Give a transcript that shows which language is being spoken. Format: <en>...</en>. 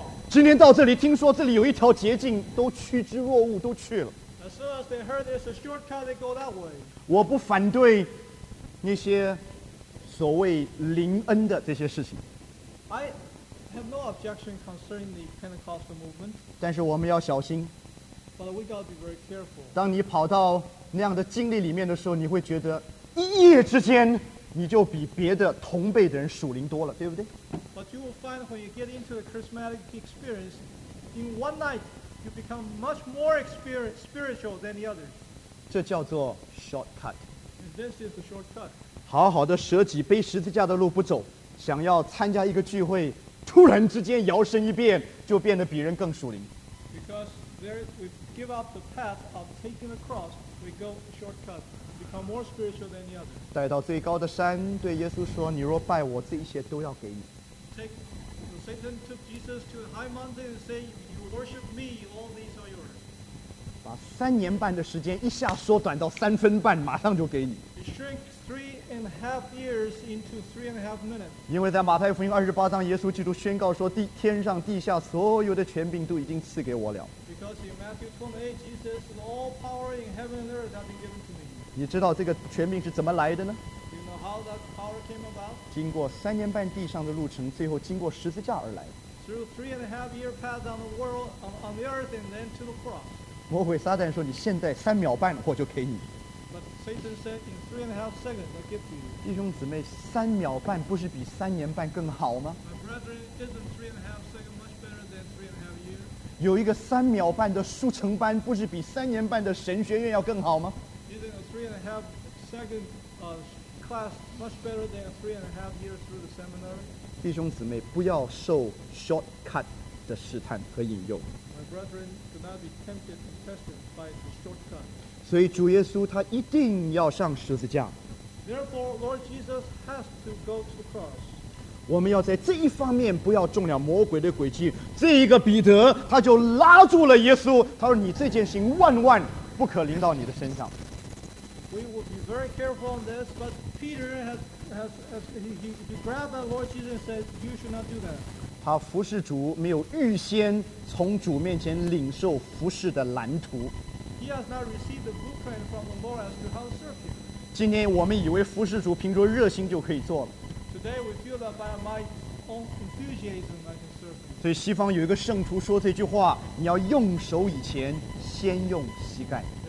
<zh>今天到这里，听说这里有一条捷径，都趋之若鹜，都去了。</zh> <en>As soon as they heard there's a shortcut, they go that way.</en> <zh>我不反对那些所谓灵恩的这些事情。</zh> <en>I have no objection concerning the Pentecostal movement.</en> <zh>但是我们要小心。</zh> <en>But we got to be very careful.</en> <zh>当你跑到那样的经历里面的时候，你会觉得一夜之间。你就比别的同辈的人属灵多了，对不对？</zh> <en>But you will find when you get into the charismatic experience, in one night you become much more spiritual than the others.</en> <zh>这叫做 shortcut.</zh> <en>And this is the shortcut.</en> <zh>好好的舍己背十字架的路不走，想要参加一个聚会，突然之间摇身一变，就变得比人更属灵。</zh> <en>Because there we give up the path of taking the cross, we go shortcut. Become more spiritual than the other.</en> <zh>带到最高的山，对耶稣说：“你若拜我，这一切都要给你。”</zh> <en>Satan took Jesus to a high mountain and said, "If you worship me, all these are yours."</en> <zh>把三年半的时间一下缩短到三分半，马上就给你。</zh> <en>He shrink 3.5 years into 3.5 minutes.</en> <zh>因为在马太福音28章，耶稣基督宣告说：“天上地下所有的权柄都已经赐给我了。”</zh> <en>Because in Matthew 28, Jesus said, "All power in heaven and earth has been given to me."</en> <zh>你知道这个权柄是怎么来的呢？</zh> <en>You know how that power came about?</en> <zh>经过三年半地上的路程，最后经过十字架而来。</zh> <en>Through 3.5 year path on the world, on the earth, and then to the cross.</en> <zh>魔鬼撒旦说：“你现在三秒半，我就给你。”</zh> <en>But Satan said, "In 3.5 seconds, I give to you."</en> <zh>弟兄姊妹，三秒半不是比三年半更好吗？</zh> <en>My brethren, isn't 3.5 seconds much better than 3.5 years?</en> <zh>有一个三秒半的速成班，不是比三年半的神学院要更好吗？</zh> <en>3.5 second class much better than 3.5 years through the seminar.</en> <zh>弟兄姊妹，不要受 shortcut 的试探和引诱。</zh> <en>My brethren, do not be tempted and tested by the shortcut.</en> <zh>所以主耶稣他一定要上十字架。</zh> <en>Therefore, Lord Jesus has to go to the cross.</en> <zh>我们要在这一方面不要中了魔鬼的诡计。这一个彼得他就拉住了耶稣，他说：“你这件事万万不可临到你的身上。”</zh> <en>We will be very careful on this, but Peter has grabbed the Lord Jesus and said, "You should not do that."</en> <zh>他服侍主没有预先从主面前领受服侍的蓝图。</zh> <en>He has not received the blueprint from the Lord as to how to serve him.</en> <zh>今天我们以为服侍主凭着热心就可以做了。</zh> <en>Today we feel that by my own enthusiasm I can serve him.</en> <zh>所以西方有一个圣徒说这句话：你要用手以前，先用膝盖。</zh>